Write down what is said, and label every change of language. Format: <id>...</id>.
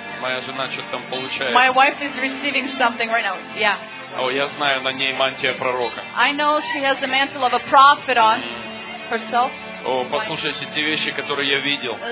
<ru>Моя жена что-то там получает.</ru> <en>My wife is receiving something right now. Yeah.</en> <ru>О, я знаю, на ней мантия пророка.</ru> <en>I know she has the mantle of a prophet on herself.</en> <ru>О, послушайте те вещи, которые я видел.</ru>